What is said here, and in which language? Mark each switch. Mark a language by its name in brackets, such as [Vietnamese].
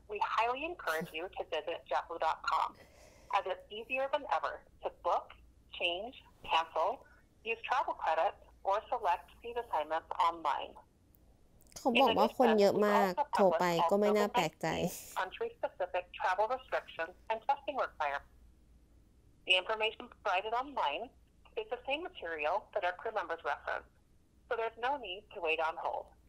[English] We highly encourage you to visit jetblue.com as it's easier than ever to book, change, cancel, use travel credit or select seat assignments online. [Thai] เขาบอกว่าคนเยอะมากโทรไปก็ไม่น่าแปลกใจ [English] Country specific travel restrictions and testing requirements. The information provided online is the same material that our crew members reference. So there's no need to wait on hold.